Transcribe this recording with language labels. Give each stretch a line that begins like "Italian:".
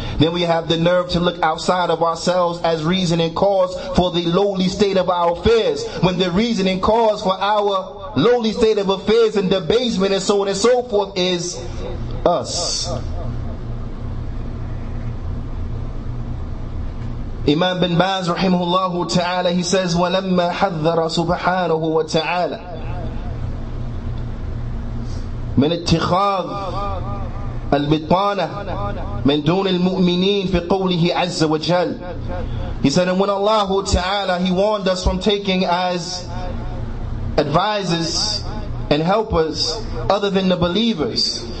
English: Then we have the nerve to look outside of ourselves as reason and cause for the lowly state of our affairs. When the reason and cause for our lowly state of affairs and debasement and so on and so forth is us. Imam bin Baz, rahimahullah ta'ala, he says,
Arabic: وَلَمَّا حَذَّرَ سُبْحَانَهُ وَتَعَالَى من اتخاذ البطانة من دون المؤمنين في قوله عز وجل.
English: He said, and when Allah Ta'ala, He warned us from taking as advisors and helpers other than the believers,